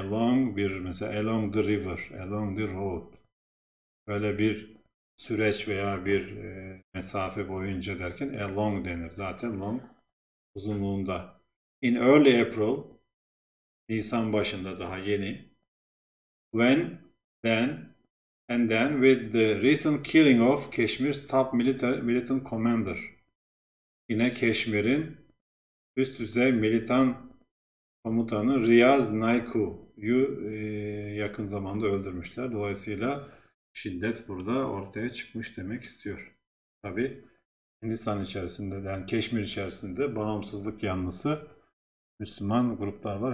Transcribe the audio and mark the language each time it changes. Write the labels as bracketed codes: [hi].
[en] Along [tr] bir, mesela [en] along the river, along the road. [tr] Böyle bir süreç veya bir mesafe boyunca derken along denir. Zaten long uzunluğunda. [en] In early April, [tr] Nisan başında daha yeni. [en] When, then, and then with the recent killing of Kashmir's top militant commander. [tr] Yine Keşmir'in üst düzey militan komutanı Riyaz Naiku'yu yakın zamanda öldürmüşler. Dolayısıyla şiddet burada ortaya çıkmış demek istiyor. Tabi Hindistan içerisinde, yani Keşmir içerisinde bağımsızlık yanlısı Müslüman gruplar var.